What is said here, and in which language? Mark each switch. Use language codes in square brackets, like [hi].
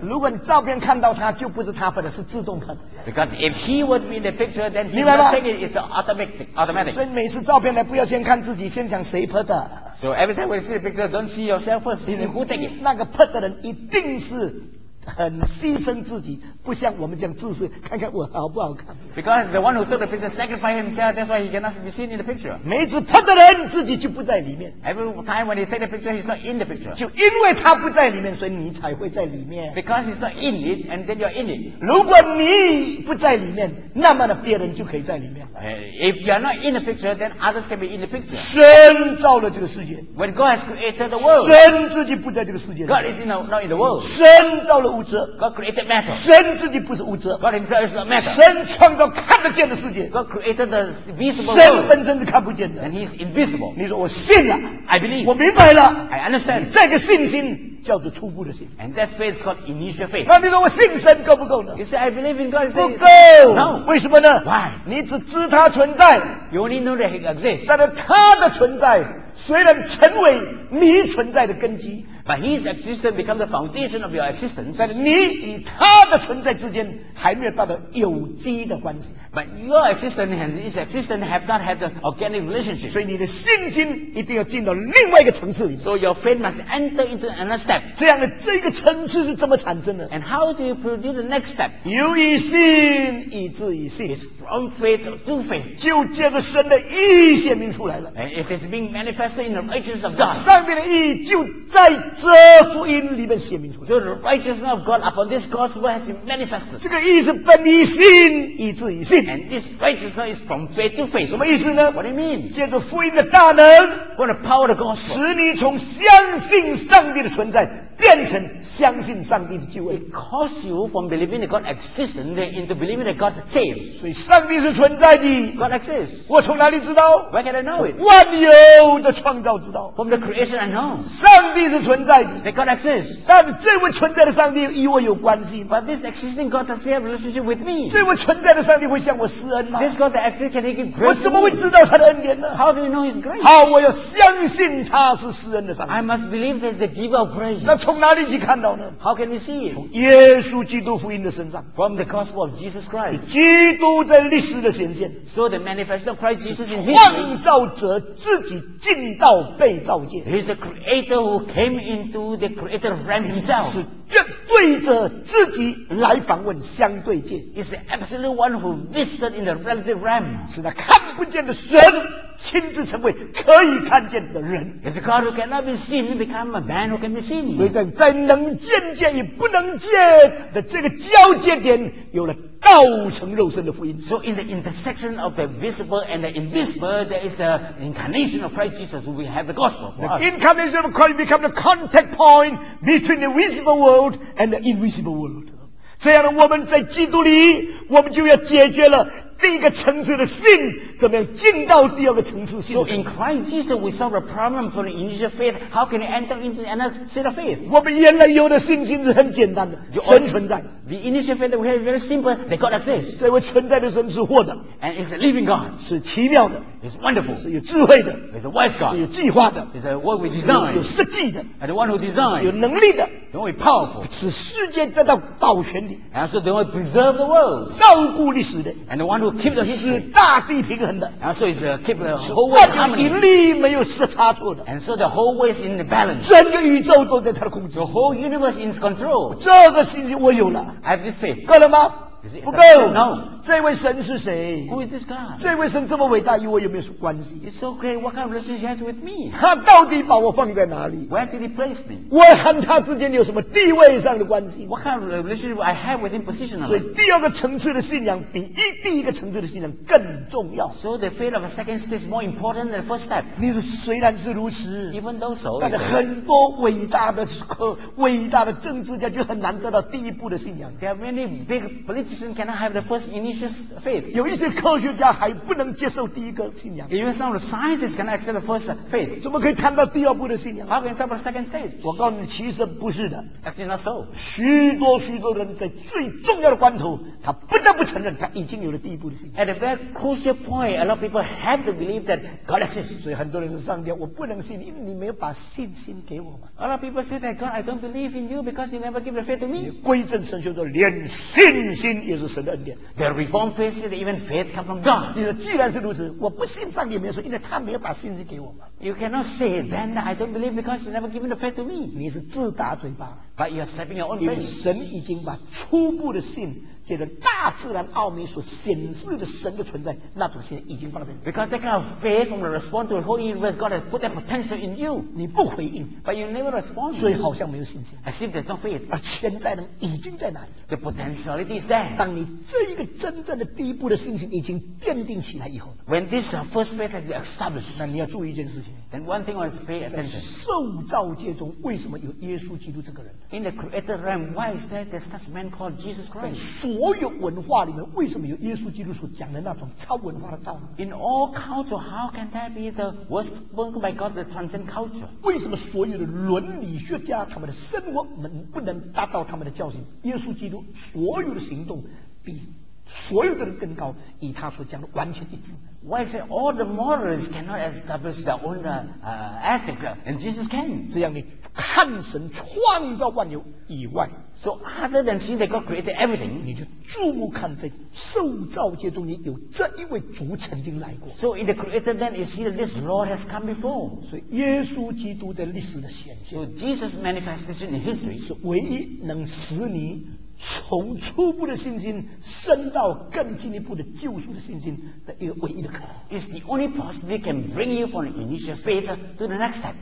[zh] 如果你照片看到他，就不是他拍的，是自动拍的。 [en] Because if he would be in the picture, then he would take it is automatic。 [zh] 所以每次照片呢，不要先看自己，先想谁拍的。 [en] So every time when you see the picture, don't see yourself first. See who take it？ [zh] 那个拍的人一定是。很牺牲自己，不像我们讲自私，看看我好不好看。 [en] Because the one who took the picture sacrificed himself, that's why he cannot be seen in the picture. [zh] 每次拍的人自己就不在里面。 [en] Every time when he take the picture, he's not in the picture. [zh] 就因为他不在里面，所以你才会在里面。 [en] Because he's not in it, and then you're in it. [zh] 如果你不在里面，那么呢，别人就可以在里面。 [en] If you're not in the picture, then others can be in the picture. [zh] 神造了这个世界。 [en] When God has created the world, [zh] 神自己不在这个世界。 [en] God is not in the world. [zh] 神造了。 [en] God created matter. [zh] 神自己不是物质。 [en] God himself is not matter. [zh] 神创造看得见的世界。 [en] God created the visible. [zh] 神本身是看不见的。 [en] And he's invisible. [zh] 你说我信了。 [en] I believe. [zh] 我明白了。 [en] I understand. [zh] 这个信心叫做初步的信。 [en] And that faith is called initial faith. [zh] 那你说我信神够不够呢？ [en] You say I believe in God. [zh] 不够。 [en] No. [zh] 为什么呢？ [en] Why? [zh] 你只知他存在。 [en] You only know that he exists. [zh] 但是他的存在虽然成为你存在的根基。 [en] But his existence becomes the foundation of your existence. [zh] 但你与他的存在之间还没有达到有机的关系。 [en] But your existence and his existence have not had an organic relationship. [zh] 所以你的信心一定要进到另外一个层次里。 [en] So your faith must enter into another step. [zh] 这样的这个层次是怎么产生的 [en] ？And how do you produce the next step? [zh] 由于信，以至于信。 [en] It's from faith to faith. [zh] 就借着神的义显明出来了。 [en] And it is being manifested in the righteousness of God. [zh] 上帝的义就在。这福音里面显明出来。 [en] So the righteousness of God upon this gospel has been manifested. [zh] 这个义是本于信，以至于信。 [en] And this righteousness is from faith to faith. [zh] 什么意思呢 [en] ？What do you mean? [zh] 借着福音的大能 [en] ，for the power of the gospel， [zh] 使你从相信上帝的存在。变成相信上帝的救恩 [en] ，It causes you from believing that God exists into believing that God saves. [zh] 所以上帝是存在的 [en] ，God exists. [zh] 我从哪里知道 [en] ？Where can I know it? [zh] 万有的创造之道 [en] ，From the creation I know. [zh] 上帝是存在的 [en] ，That God exists. [zh] 但是这位存在的上帝与我有关系 [en] ，But this existing God does he have a relationship with me. [zh] 这位存在的上帝会向我施恩吗 [en] ？This God that exists can he give grace? [zh] 我怎么会知道他的恩典呢 [en] ？How do you know his grace? [zh] 好，我要相信他是施恩的上帝。 [en] I must believe that he's the giver of grace. [zh] 从哪里去看到呢 [en] ？How can you see？ [zh] 从耶稣基督福音的身上 [en] ，From the gospel of Jesus Christ， [zh] 是基督在历史的显现 [en] ，So the manifestation of Christ Jesus in history， [zh] 创造者自己进到被造界 [en] ，He's the creator who came into the creator realm himself。 [zh] 这对着自己来访问相对界 [en] ，is the absolute one who visited in the relative realm， [zh] 是那看不见的神亲自成为可以看见的人 [en] ，is a God who cannot be seen become a man who can be seen。 [zh] 所以在能见界与不能见的这个交界点，有了道成肉身的福音。 [en] So in the intersection of the visible and the invisible, there is the incarnation of Christ Jesus. We have the gospel. The incarnation of Christ becomes the contact point between the visible world and the invisible world. [zh] 这样的我们在基督里，我们就要解决了。第一个层次的信怎么样进到第二个层次信 [en] ？So in Christ Jesus, we solve a problem for the initial faith. How can you enter into another set of faith? [zh] 我们原来有的信心是很简单的，神存在。 [en] The initial faith that we have is very simple. That God exists. [zh] 这位存在的神是活的 [en] ，and is a living God. [zh] 是奇妙的 [en] ，is wonderful. [zh] 是有智慧的 [en] ，is a wise God. [zh] 是有计划的 [en] ，is a one who designed. [zh] 有设计的 [en] ，and one who designed. [zh] 有能力的 [en] ，the one powerful. [zh] 使世界得到保全的 [en] ，and so the one preserve the world. [zh] 照顾历史的 [en] ，and the one who rule keep the history. [zh] 是大地平衡的。 [en] And so it's keep the whole world harmony. [zh] 万有引力没有失差错的。 [en] And so the whole world is in the balance. [zh] 整个宇宙都在他的控制。 [en] The whole universe is in control. [zh] 这个信心我有了。 [en] I have this faith. [zh] 够了吗？不够。 [en] No. [zh] 这位神是谁？ [en] Who is this God? [zh] 这位神这么伟大，与我有没有关系？ [en] It's so great. What kind of relationship has with me? [zh] 他到底把我放在哪里？ [en] Where did he place me? [zh] 我和他之间有什么地位上的关系？ [en] What kind of relationship I have with him positionally? [zh] 所以第二个层次的信仰比第一个层次的信仰更重要。 [en] So the faith of a second step is more important than the first step. [zh] 你虽然是如此， [en] Even though so, [zh] 但是很多伟大的政治家就很难得到第一步的信仰。 [en] There are many big politicians cannot have the first initial faith. [zh] 有一些科学家还不能接受第一个信仰。 [en] Even some of the scientists cannot accept the first faith. [zh] 怎么可以看到第二步的信仰？ [en] How can you talk about second faith? [zh] 我告诉你，其实不是的。 [en] Actually, not so. [zh] 许多许多人在最重要的关头，他不得不承认他已经有了第一步的信仰。 [en] At a very crucial point, a lot of people have to believe that God exists. [zh] 所以很多人说，上帝，我不能信，因为你没有把信心给我嘛。 [en] A lot of people say that God, I don't believe in you because you never give the faith to me. [zh] 归正神学说，连信心也是神的恩典。 [en] The Reformed faith says even faith comes from God. [zh] 你说既然是如此，我不信上帝没有说，因为他没有把信心给我嘛。 [en] You cannot say then I don't believe because you never given the faith to me. [zh] 你是自打嘴巴。 [en] But you are slapping your own faith. [zh] 因为神已经把初步的信，借着大自然奥秘所显示的神的存在，那种信已经放在那里。 [en] Because that kind of faith from the response to the whole universe, God has put that potential in you. [zh] 你不回应。 [en] But you never respond. [zh] 所以好像没有信心。 [en] As if there's no faith. [zh] 而潜在的已经在哪里？ [en] The potentiality is there. [zh] 当你这一个真正的第一步的信心已经奠定起来以后， [en] When this first faith has been established, [zh] 那你要注意一件事情。 [en] Then one thing I want to pay attention. [zh] 在受造界中，为什么有耶稣基督这个人？ [en] In the created realm, why is there this such man called Jesus Christ? [zh] 在所有文化里面，为什么有耶稣基督所讲的那种超文化的道理？ [en] In all culture, how can that be the worst book by God that transcend culture? [zh] 为什么所有的伦理学家他们的生活能不能达到他们的教训？耶稣基督所有的行动比所有的人更高，与他所讲的完全一致。 [en] Why say all the morals cannot establish their own ethic, and Jesus can? [zh] 这样你看神创造万有以外， [en] so other than seeing that God created everything, [zh] 你就注目看在受造界中，你有这一位主曾经来过。 [en] So in the created then, you see that this Lord has come before. [zh] 所以耶稣基督在历史的显现， [en] so Jesus manifestation in history [zh] 是唯一能使你从初步的信心升到更进一步的救赎的信心的一个唯一的可能。 [en] It's the only possibility can bring you from the initial faith to the next step.